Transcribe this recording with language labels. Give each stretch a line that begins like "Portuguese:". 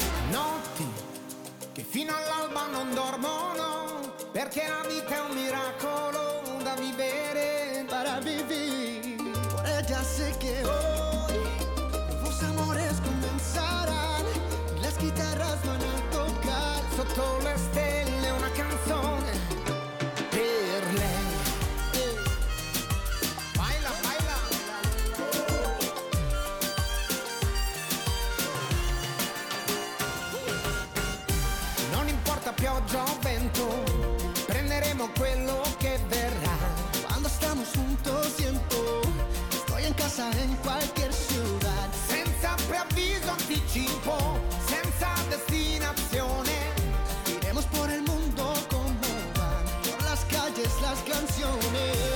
Italian: Notti che fino all'alba non dormono, perché la vita è un miracolo da vivere,
Spanish: para vivir. Por ella sé que hoy tus amores comenzarán, las guitarras van a tocar
Italian: sotto le stelle una canzone per lei.
Spanish: Baila, baila.
Italian: Non importa pioggia o vento, prenderemo quello che verrà.
Spanish: Cuando estamos juntos siento, estoy en casa en cualquier ciudad.
Italian: Senza preavviso anticipo, senza destinazione,
Spanish: iremos por el mundo como van, por las calles las canciones.